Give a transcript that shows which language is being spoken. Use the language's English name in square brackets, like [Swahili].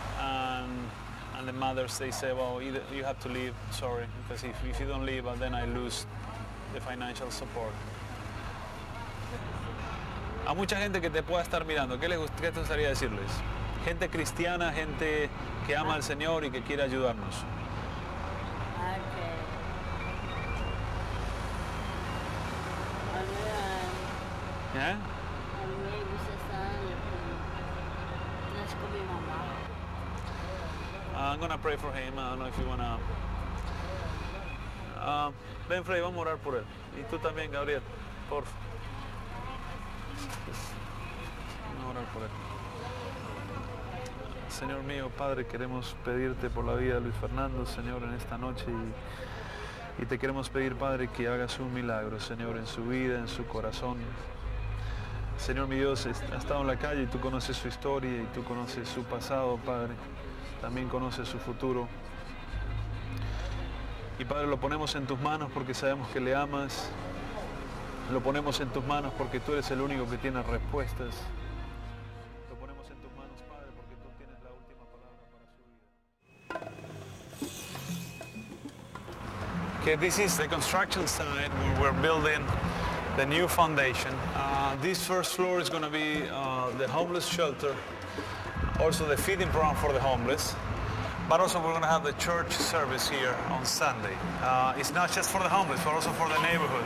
[English] And the mothers, they say, well, either you have to leave, sorry, because if you don't leave, then I lose the financial support. [Spanish] A mucha gente que te pueda estar mirando, ¿qué te gustaría decirles? Gente cristiana, gente que ama al Señor y que quiere ayudarnos. [English] Okay. [Spanish] A mí me gusta estar con mi mamá. [English] I'm gonna pray for him, I don't know if you wanna... [Spanish] Ben Frey, vamos a orar por él. Y tú también, Gabriel, por favor. Señor mío, Padre, queremos pedirte por la vida de Luis Fernando, Señor, en esta noche y te queremos pedir, Padre, que hagas un milagro, Señor, en su vida, en su corazón. Señor mi Dios, ha estado en la calle y tú conoces su historia y tú conoces su pasado, Padre. También conoces su futuro. Y Padre, lo ponemos en tus manos porque sabemos que le amas. Lo ponemos en tus manos porque tú eres el único que tiene respuestas. Lo ponemos en tus manos, Padre, porque tú tienes la última palabra para su vida. [English] Okay, this is the construction site where we're building the new foundation. This first floor is going to be the homeless shelter, also the feeding program for the homeless. But also we're going to have the church service here on Sunday. It's not just for the homeless, but also for the neighborhood.